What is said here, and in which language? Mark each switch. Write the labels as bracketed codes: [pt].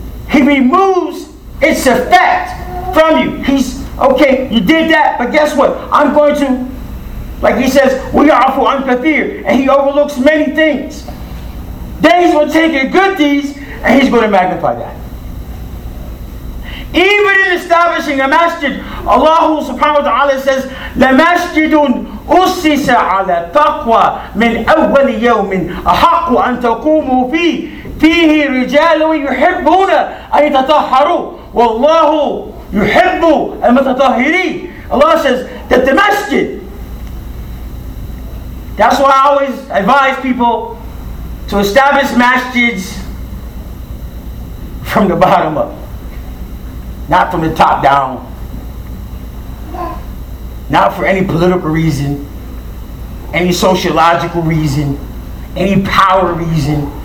[en] He removes its effect from you. He's, okay, you did that, but guess what? I'm going to, like he says, [ar] وَيَعْفُ عَنْ كَثِيرٍ, [en] and he overlooks many things. Then he's going to take your good deeds and he's going to magnify that. Even in establishing a masjid, Allah subhanahu wa ta'ala says, [ar] لَمَسْجِدٌ أُسِّسَ عَلَى تَقْوَى مِنْ أَوَّلِ يَوْمٍ أَحَقُّ أَنْ تَقُومُوا فِيهِ رِجَالٌ يُحِبُّونَ أَنْ يَتَطَهَّرُوا وَاللَّهُ يُحِبُّ الْمُتَطَهِّرِينَ. [en] Allah says that the masjid, that's why I always advise people to establish masjids from the bottom up, not from the top down, not for any political reason, any sociological reason, any power reason.